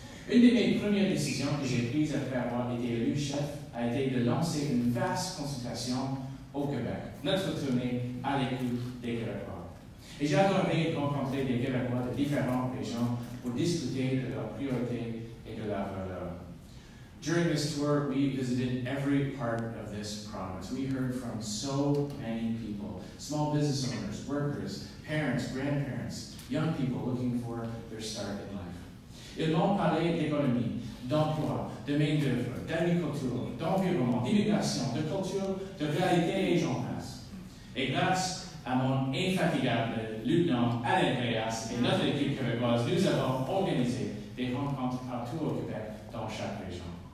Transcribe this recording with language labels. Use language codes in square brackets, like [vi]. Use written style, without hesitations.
[fr] Une de mes premières décisions que j'ai prises après avoir été élu chef a été de lancer une vaste consultation au Québec, notre tournée à l'écoute des Québécois. Et j'adorais rencontrer des Québécois de différentes régions pour discuter de leurs priorités et de leurs valeurs. [en] During this tour, we visited every part of this province. We heard from so many people, small business owners, workers, parents, grandparents, young people looking for their start in life. [fr] Ils m'ont parlé d'économie, d'emploi, de main-d'œuvre, d'agriculture, d'environnement, d'immigration, de culture, de réalité et j'en passe. Et grâce à mon infatigable lieutenant Alain Reyes et notre équipe québécoise, nous avons organisé des rencontres partout au Québec dans chaque région.